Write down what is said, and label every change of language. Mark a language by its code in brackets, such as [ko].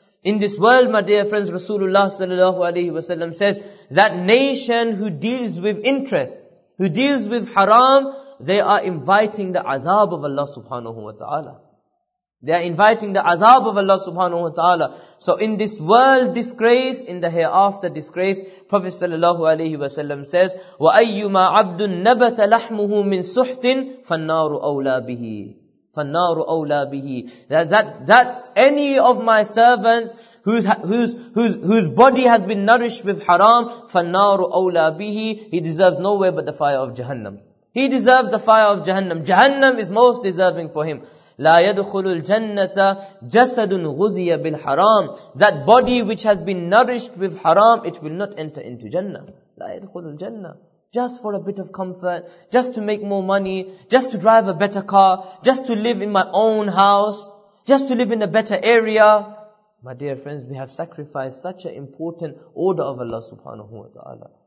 [en] In this world, my dear friends, Rasulullah sallallahu alayhi wa sallam says, that nation who deals with interest, who deals with haram, they are inviting the azab of Allah subhanahu wa ta'ala. They are inviting the azab of Allah subhanahu wa ta'ala. So in this world, disgrace. In the hereafter, disgrace. [ar] Prophet sallallahu alayhi wa sallam says, وَأَيُّمَا عَبْدٌ نَبَتَ لَحْمُهُ مِنْ سُحْتٍ فَالنَّارُ أَوْلَى بِهِ فَالنَّارُ أَوْلَى بِهِ. [en] That's any of my servants whose body has been nourished with haram, [ar] فَالنَّارُ أَوْلَى بِهِ. [en] He deserves nowhere but the fire of Jahannam. He deserves the fire of Jahannam. Jahannam is most deserving for him. [ar] لا يدخل الجنة جسد غذي بالحرام. [en] That body which has been nourished with haram, it will not enter into Jannah. [ar] لا يدخل الجنة. [en] Just for a bit of comfort, just to make more money, just to drive a better car, just to live in my own house, just to live in a better area. My dear friends, we have sacrificed such an important order of Allah subhanahu wa ta'ala.